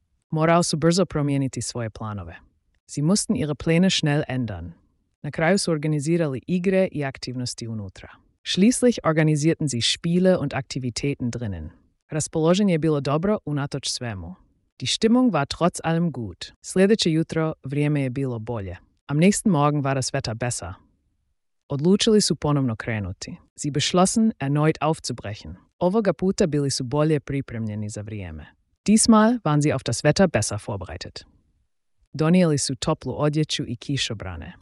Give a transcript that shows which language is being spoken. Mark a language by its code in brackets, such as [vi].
[hr] Morao su brzo promijeniti svoje planove. [de] Sie mussten ihre Pläne schnell ändern. [hr] Na kraju su organizirali igre i aktivnosti unutra. [de] Schließlich organisierten sie Spiele und Aktivitäten drinnen. [hr] Raspoloženje bilo dobro unatoč svemu. [de] Die Stimmung war trotz allem gut. [hr] Sljedeće jutro vrijeme je bilo bolje. [de] Am nächsten Morgen war das Wetter besser. [hr] Odlučili su ponovno krenuti. [de] Sie beschlossen, erneut aufzubrechen. [hr] Ovoga puta bili su bolje pripremljeni za vrijeme. [de] Diesmal waren sie auf das Wetter besser vorbereitet. [hr] Donijeli su toplu odjeću i kišobrane.